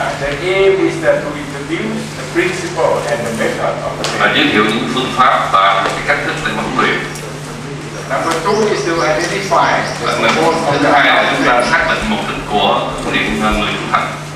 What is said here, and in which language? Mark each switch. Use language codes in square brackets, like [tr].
[en] The aim is that to introduce the principle and the method of the training. [vi] Giới thiệu những phương pháp và cái cách thức để huấn luyện. [en] Number two is to identify the support of the training. [vi] Chúng ta xác định mục đích của huấn luyện người thực hành.